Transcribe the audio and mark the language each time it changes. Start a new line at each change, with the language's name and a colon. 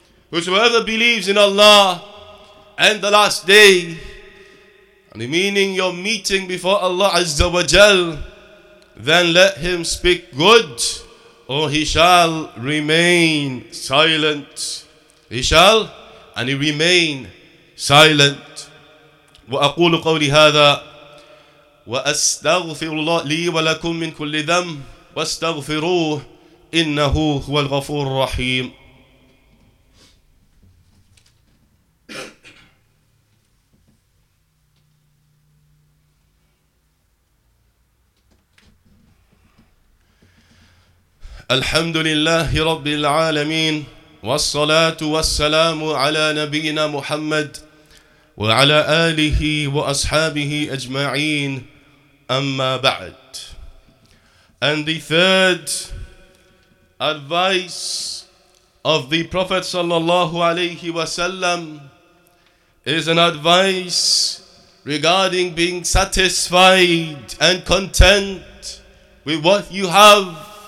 English: Whosoever believes in Allah and the last day, and the meaning your meeting before Allah azza wa jal, then let him speak good or he shall remain silent.
Arabic: وأقول قولي هذا وأستغفر الله لي ولكم من كل ذنب واستغفروه إنه هو الغفور الرحيم. الحمد لله رب العالمين والصلاة والسلام على نبينا محمد وعلى آله وأصحابه أجمعين أما بعد.
English: And the third advice of the Prophet sallallahu alayhi wasallam is an advice regarding being satisfied and content with what you have.